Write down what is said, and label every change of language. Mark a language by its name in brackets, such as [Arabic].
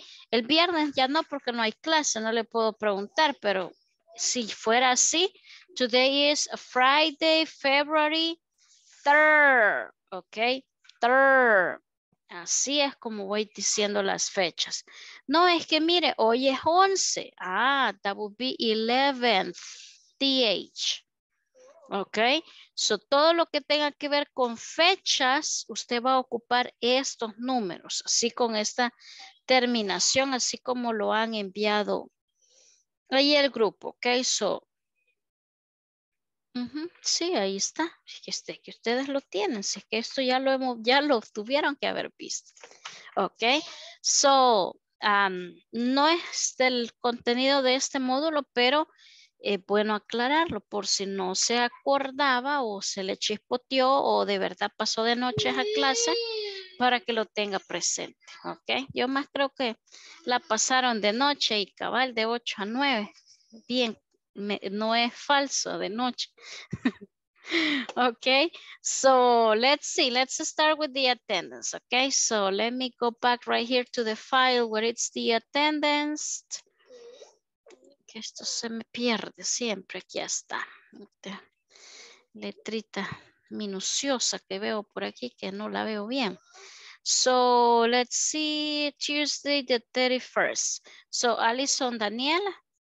[Spanish] El viernes ya no, porque no hay clase, no le puedo preguntar, pero si fuera así, [English] today is Friday, February 3rd, [Spanish] ¿ok? 3rd, así es como voy diciendo las fechas. No, es que mire, hoy es 11, ah, [English] that would be 11th, [Spanish] TH. Ok, so todo lo que tenga que ver con fechas, usted va a ocupar estos números, así con esta terminación, así como lo han enviado ahí el grupo, ok, so, sí, ahí está, este, que ustedes lo tienen, si es que esto ya lo hemos, ya lo tuvieron que haber visto, ok, so, no es del contenido de este módulo, pero bueno, aclararlo por si no se acordaba o se le chispoteó o de verdad pasó de noche a clase, para que lo tenga presente, ¿ok? Yo más creo que la pasaron de noche y cabal de 8 a 9, bien no es falso de noche. [English] Okay, so let's see, let's start with the attendance. Okay, so let me go back right here to the file where it's the attendance. [Spanish] Que esto se me pierde siempre, aquí está. Letrita minuciosa que veo por aquí que no la veo bien. [English] So let's see, Tuesday the 31st. So Alison Daniela.